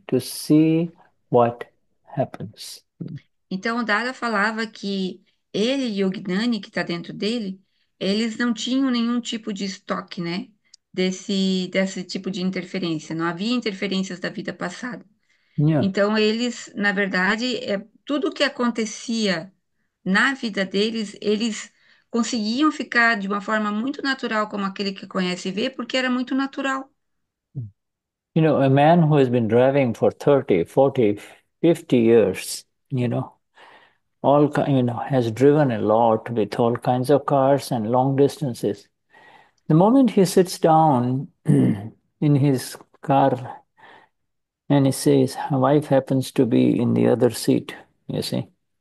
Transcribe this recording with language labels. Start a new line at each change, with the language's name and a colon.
English: To see what happens.
Portuguese: Então, o Dada falava que ele e o Gnani, que está dentro dele, eles não tinham nenhum tipo de estoque, né? Desse tipo de interferência. Não havia interferências da vida passada. Então, eles, na verdade, tudo o que acontecia na vida deles, eles conseguiam ficar de uma forma muito natural, como aquele que conhece e vê, porque era muito natural.
English: You know, a man who has been driving for 30, 40, 50 years, has driven a lot with all kinds of cars and long distances. The moment he sits down in his car and he says, "My wife happens to be in the other seat," you see.